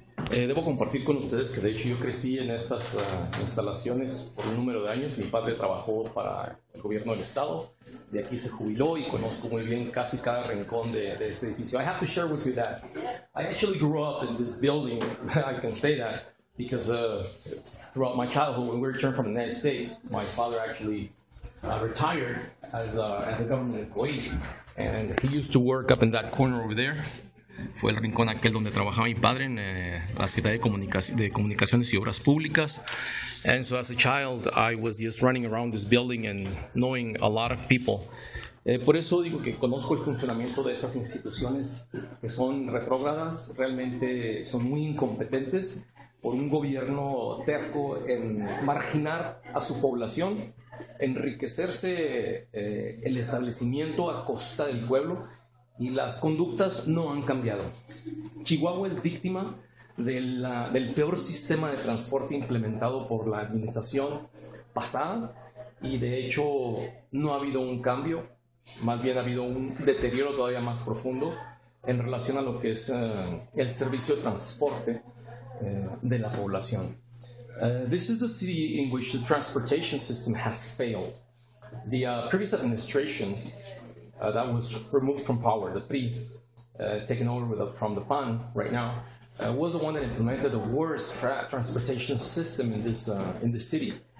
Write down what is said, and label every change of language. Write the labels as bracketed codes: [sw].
[es] Debo compartir con ustedes que de hecho yo crecí en estas instalaciones por un número de años. Mi padre trabajó para el gobierno del estado, de aquí se jubiló y conozco muy bien casi cada rincón de este edificio. [en] I have to share with you that I actually grew up in this building. I can say that because throughout my childhood, when we returned from the United States, my father actually retired as a government employee, and he used to work up in that corner over there. [es] Fue el rincón aquel donde trabajaba mi padre en la Secretaría de Comunicaciones y Obras Públicas. [en] And so as a child, I was just running around this building and knowing a lot of people. [es] Por eso digo que conozco el funcionamiento de estas instituciones que son retrógradas, realmente son muy incompetentes por un gobierno terco en marginar a su población, enriquecerse el establecimiento a costa del pueblo. Y las conductas no han cambiado. Chihuahua es víctima del peor sistema de transporte implementado por la administración pasada, y de hecho no ha habido un cambio, más bien ha habido un deterioro todavía más profundo en relación a lo que es el servicio de transporte de la población. [en] This is the city in which the transportation system has failed. The previous administration that was removed from power, the PRI, taken over from the PAN right now, was the one that implemented the worst transportation system in this city.